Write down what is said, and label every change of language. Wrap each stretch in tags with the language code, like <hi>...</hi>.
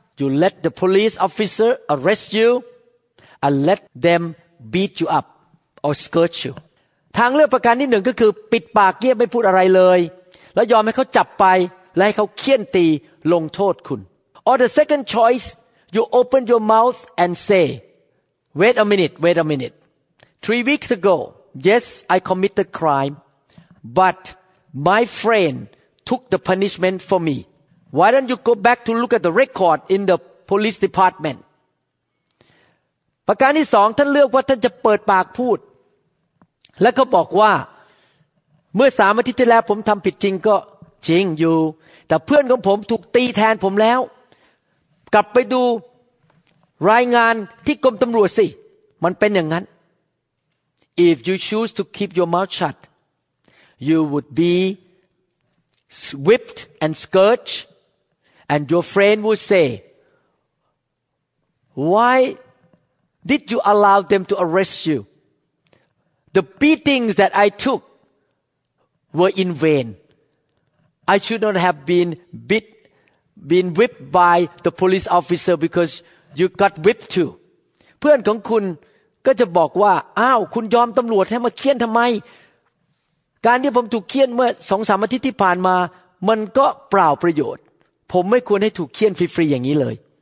<en>You let the police officer arrest you and let them beat you up or scourge you.</en> <th>ทางเลือกประการที่หนึ่งก็คือปิดปากเงียบไม่พูดอะไรเลยแล้วยอมให้เขาจับไปและให้เขาเคี่ยนตีลงโทษคุณ</th> <en>Or the second choice, you open your mouth and say, Wait a minute. 3 weeks ago, yes, I committed crime, but my friend took the punishment for me. Why don't you go back to look at the record in the police department?</en> <th>ประการที่สองท่านเลือกว่าท่านจะเปิดปากพูดแล้วก็บอกว่าเมื่อ3 อาทิตย์ที่แล้วผมทำผิดจริงก็จริงอยู่แต่เพื่อนของผมถูกตีแทนผมแล้วกลับไปดู รายงานที่กรมตำรวจสิมันเป็นอย่างนั้น</th> <en>If you choose to keep your mouth shut, you would be whipped and scourged, and your friend would say, Why did you allow them to arrest you? The beatings that I took were in vain. I should not have been whipped by the police officer because you got whipped too.</en> <th>เพื่อนของคุณก็จะบอกว่าอ้าวคุณยอมตำรวจให้มาเคี่ยนทำไมการที่ผมถูกเคี่ยนเมื่อ2-3 อาทิตย์ที่ผ่านมามันก็เปล่าประโยชน์ผมไม่ควรให้ถูกเคี่ยนฟรีๆอย่างนี้เลย</th>